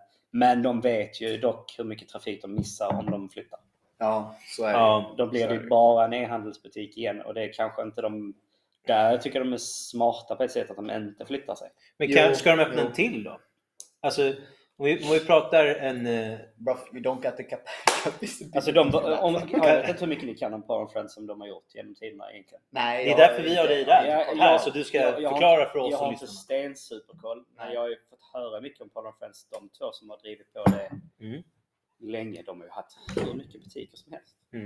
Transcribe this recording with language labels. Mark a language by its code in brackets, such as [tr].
[sv] Men de vet ju dock hur mycket trafik de missar om de flyttar. Ja, så är det. Ja, då blir det bara en e-handelsbutik igen. Och det är kanske inte de... Där tycker de är smarta på ett sätt att de inte flyttar sig. Men kanske ska de öppna en till då? Alltså, om vi pratar en... [en] We don't get the capacity. [sv] Alltså, jag vet inte hur mycket ni kan om Power and Friends som de har gjort genom tiderna egentligen. Nej, det är därför vi har det där. Så du ska förklara för oss. Jag har inte stensuperkoll. Men jag har ju fått höra mycket om Power and Friends. De två som har drivit på det... Mm. Länge, de har ju haft hur mycket butiker som helst.